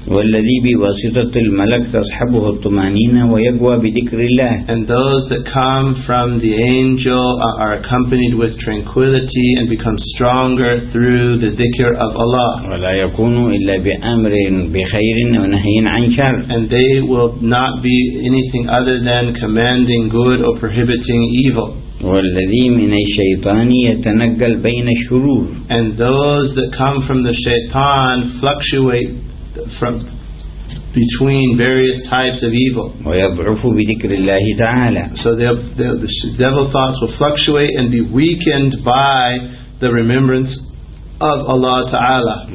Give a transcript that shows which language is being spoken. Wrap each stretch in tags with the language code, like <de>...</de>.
<ar>والذي بواسطة الملك تصحبه الطمأنينة ويقوى بذكر الله.</ar> <en>And those that come from the angel are accompanied with tranquility and become stronger through the dhikr of Allah.</en> <ar>ولا يكون إلا بأمر بخير ونهي عن شر.</ar> <en>And they will not be anything other than commanding good or prohibiting evil.</en> <ar>والذي من الشيطان يتنقل بين الشرور.</ar> <en>And those that come from the shaitan fluctuate from between various types of evil.</en> <ar>ويضعف بذكر الله تعالى.</ar> <en>So the devil thoughts will fluctuate and be weakened by the remembrance of Allah Ta'ala.</en>